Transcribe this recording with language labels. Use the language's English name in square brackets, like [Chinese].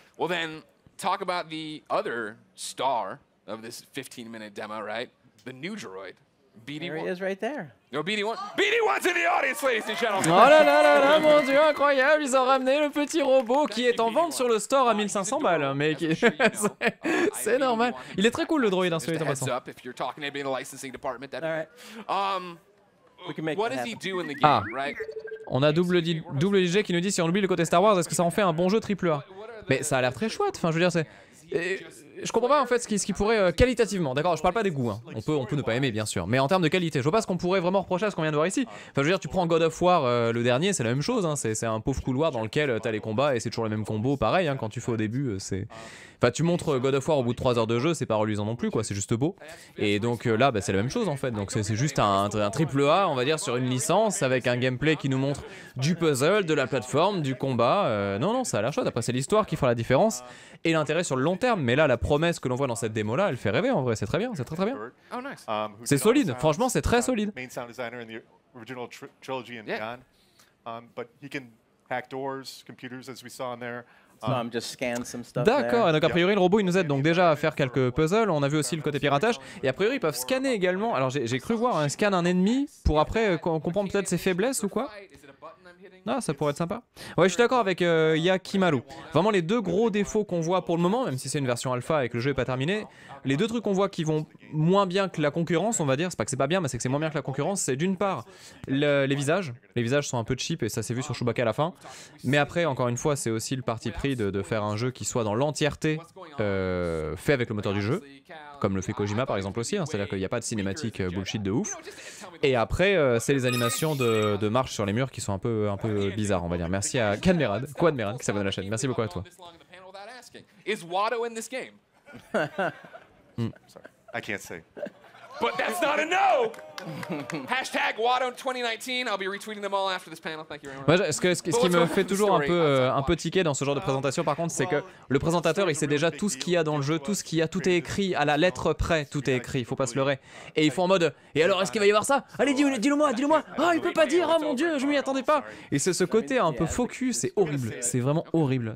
[English] Well, then talk about the other star of this 15-minute demo, right? The new droid. BD1. There he is right there. No, BD1. BD1's in the audience, ladies and gentlemen. [French] Oh là là là là, mon Dieu, incroyable. Ils ont ramené le petit robot qui est en vente sur le store à 1500 balles. Mais qui... c'est normal. Il est très cool, le droïde, celui-là, en passant. [English] If you're talking to me in the licensing department, that'd be... All right. We can make what does he do in the game, ah. Right? [French] On a double DJ qui nous dit si on oublie le côté Star Wars, est-ce que ça en fait un bon jeu AAA? Mais ça a l'air très chouette. Enfin, je veux dire, c'est... Je comprends pas en fait ce qui pourrait qualitativement, d'accord, je parle pas des goûts, hein. on peut ne pas aimer bien sûr, mais en termes de qualité, je vois pas ce qu'on pourrait vraiment reprocher à ce qu'on vient de voir ici. Enfin je veux dire, tu prends God of War le dernier, c'est la même chose, hein. c'est un pauvre couloir dans lequel t'as les combats et c'est toujours le même combo, pareil, hein, quand tu fais au début, c'est... Enfin tu montres God of War au bout de 3 heures de jeu, c'est pas reluisant non plus quoi, c'est juste beau. Et donc là, bah, c'est la même chose en fait, donc c'est juste un triple A, on va dire, sur une licence, avec un gameplay qui nous montre du puzzle, de la plateforme, du combat. Non, ça a l'air chouette, après c'est l'histoire qui fera la différence. Et l'intérêt sur le long terme, mais là la promesse que l'on voit dans cette démo là, elle fait rêver en vrai, c'est très bien, c'est très très bien. [English] Oh nice. [French] C'est solide, franchement c'est très solide. [English] Main sound designer in the original trilogy and beyond. But he can hack doors, computers as we saw in there. Just scan some stuff. [French] D'accord, [English] there. [French] Donc a priori le robot il nous aide donc déjà à faire quelques puzzles, on a vu aussi le côté piratage, et a priori ils peuvent scanner également, alors j'ai cru voir un scan un ennemi pour après comprendre peut-être ses faiblesses ou quoi. Ah, ça pourrait être sympa. Ouais, je suis d'accord avec Yakimaru. Vraiment, les deux gros défauts qu'on voit pour le moment, même si c'est une version alpha et que le jeu n'est pas terminé, les deux trucs qu'on voit qui vont moins bien que la concurrence, on va dire, c'est pas que c'est pas bien, mais c'est que c'est moins bien que la concurrence, c'est d'une part les visages. Les visages sont un peu cheap et ça s'est vu sur Chewbacca à la fin. Mais après, encore une fois, c'est aussi le parti pris de faire un jeu qui soit dans l'entièreté fait avec le moteur du jeu. Comme le fait Kojima par exemple aussi, hein. C'est-à-dire qu'il n'y a pas de cinématique bullshit de ouf. Et après, c'est les animations de marche sur les murs qui sont un peu bizarres, on va dire. Merci à Kadmerad, Quadmerad, qui s'abonne à la chaîne. Merci beaucoup à toi. [English] Is Watto in this game? I can't say. But that's not a no! Hashtag Watto 2019, I'll be retweeting them all after this panel. Thank you very much. [French] Moi, ce qui me fait toujours un peu tiquer dans ce genre de présentation, par contre, c'est que le présentateur, il sait déjà tout ce qu'il y a dans le jeu, tout ce qu'il y a, tout est écrit, à la lettre près, tout est écrit, il faut pas se leurrer. Et ils font en mode, et alors, est-ce qu'il va y avoir ça? Allez, dis-le-moi, oh, il peut pas dire, oh mon dieu, je m'y attendais pas. Et c'est ce côté un peu focus, c'est horrible, c'est vraiment horrible.